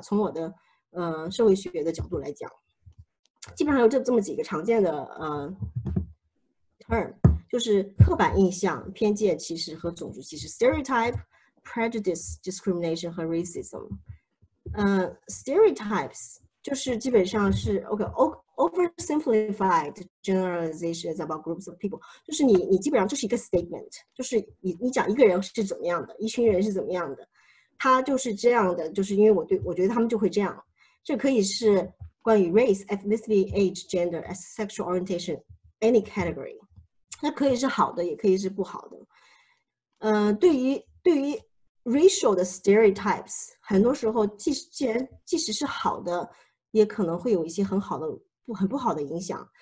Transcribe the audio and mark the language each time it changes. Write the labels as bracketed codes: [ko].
[zh] 从我的社会学的角度来讲，基本上有这么几个常见的term， 就是刻板印象、偏见、歧视和种族歧视 （stereotype）、prejudice、discrimination 和 racism。stereotypes 就是基本上是 OK， [en] oversimplified generalization is about groups of people. [zh] 就是你基本上就是一个 statement, 就是你讲一个人是怎么样的，一群人是怎么样的，他就是这样的，就是因为我觉得他们就会这样。这可以是关于 [en] race, ethnicity, age, gender, sexual orientation, any category. [zh] 那可以是好的，也可以是不好的。对于 racial 的 stereotypes, 很多时候即使是好的，也可能会有一些很好的很不好的影响。